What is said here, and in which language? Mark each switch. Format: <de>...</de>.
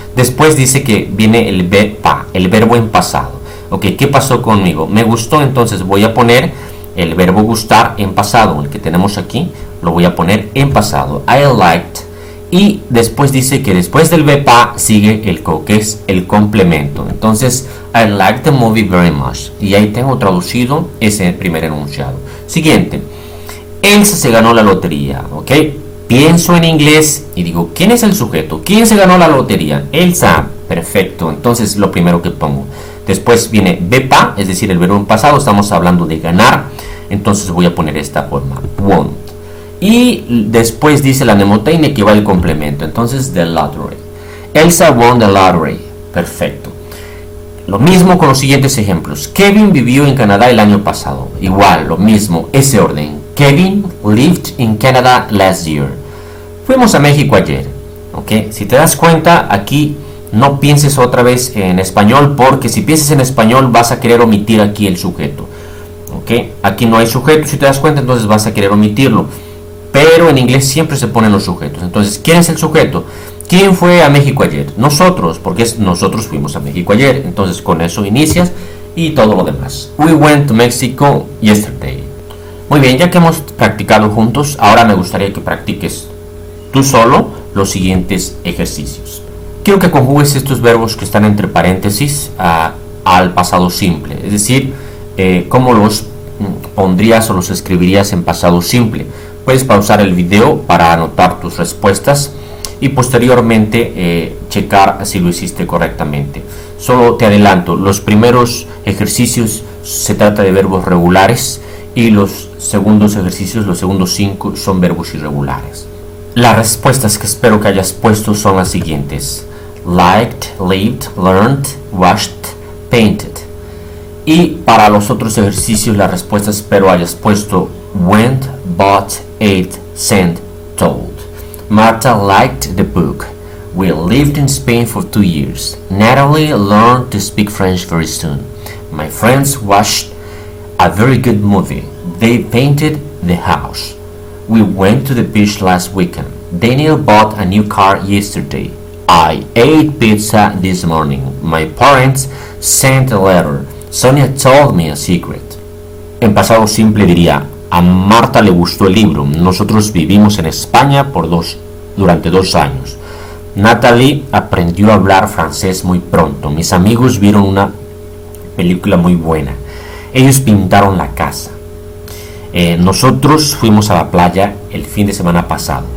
<es>Después dice que viene el BEPA, el verbo en pasado. Ok, ¿qué pasó conmigo? Me gustó, entonces voy a poner el verbo gustar en pasado. El que tenemos aquí, lo voy a poner en pasado.</es> <en>I liked.</en> <es>Y después dice que después del BEPA sigue el co, que es el complemento.</es> <en>Entonces, I liked the movie very much.</en> <es>Y ahí tengo traducido ese primer enunciado. Siguiente. Elsa se ganó la lotería, ok. Pienso en inglés y digo, ¿quién es el sujeto? ¿Quién se ganó la lotería? Elsa. Perfecto. Entonces, lo primero que pongo. Después viene BEPA, es decir, el verbo en pasado. Estamos hablando de ganar. Entonces, voy a poner esta forma. Won. Y después dice la mnemotecnia que va el complemento.</es> <en>Entonces, the lottery. Elsa won the lottery. Perfecto.</en> <es>Lo mismo con los siguientes ejemplos. Kevin vivió en Canadá el año pasado. Igual, lo mismo. Ese orden.</es> <en>Kevin lived in Canada last year.</en> <es>Fuimos a México ayer. ¿Okay? Si te das cuenta, aquí no pienses otra vez en español, porque si piensas en español vas a querer omitir aquí el sujeto. ¿Okay? Aquí no hay sujeto, si te das cuenta, entonces vas a querer omitirlo. Pero en inglés siempre se ponen los sujetos. Entonces, ¿quién es el sujeto? ¿Quién fue a México ayer? Nosotros, porque es nosotros fuimos a México ayer. Entonces, con eso inicias y todo lo demás.</es> <en>We went to Mexico yesterday.</en> <es>Muy bien, ya que hemos practicado juntos, ahora me gustaría que practiques tú solo los siguientes ejercicios. Quiero que conjugues estos verbos que están entre paréntesis al pasado simple. Es decir, ¿cómo los pondrías o los escribirías en pasado simple? Puedes pausar el video para anotar tus respuestas y posteriormente checar si lo hiciste correctamente. Solo te adelanto, los primeros ejercicios se trata de verbos regulares y los segundos ejercicios, los segundos 5, son verbos irregulares. Las respuestas que espero que hayas puesto son las siguientes: liked, lived, learned, washed, painted. Y para los otros ejercicios, las respuestas espero hayas puesto went, bought, ate, sent, told.</es> <en>Martha liked the book. We lived in Spain for 2 years. Natalie learned to speak French very soon. My friends watched a very good movie. They painted the house. We went to the beach last weekend. Daniel bought a new car yesterday. I ate pizza this morning. My parents sent a letter. Sonia told me a secret.</en> <es>En pasado simple diría, a Marta le gustó el libro. Nosotros vivimos en España durante 2 años. Natalie aprendió a hablar francés muy pronto. Mis amigos vieron una película muy buena. Ellos pintaron la casa. Nosotros fuimos a la playa el fin de semana pasado.</es>